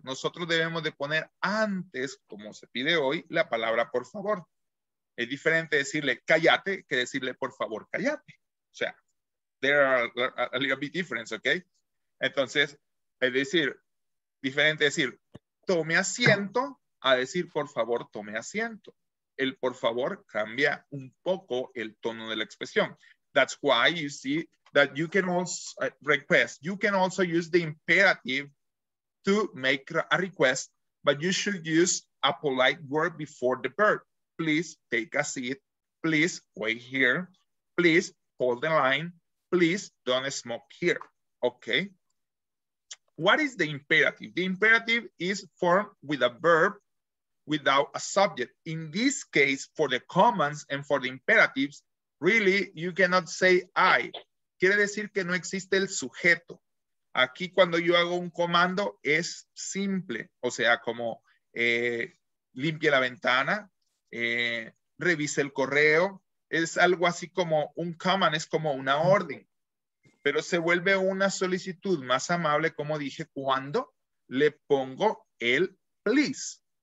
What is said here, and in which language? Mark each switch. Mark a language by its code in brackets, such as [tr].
[es] Nosotros debemos de poner antes, como se pide hoy, la palabra por favor. Es diferente decirle cállate que decirle por favor cállate. O sea, [en] there are a little bit difference, okay? [es] Entonces, es decir, diferente decir tome asiento a decir, por favor, tome asiento. El por favor cambia un poco el tono de la expresión. [en] That's why you see that you can also request. You can also use the imperative to make a request, but you should use a polite word before the verb. Please take a seat. Please wait here. Please hold the line. Please don't smoke here. Okay. What is the imperative? The imperative is formed with a verb without a subject. In this case, for the commands and for the imperatives, really, you cannot say I. [es] Quiere decir que no existe el sujeto. Aquí cuando yo hago un comando es simple. O sea, como limpie la ventana, revise el correo. Es algo así como un command, es como una orden. Pero se vuelve una solicitud más amable, como dije, cuando le pongo el please.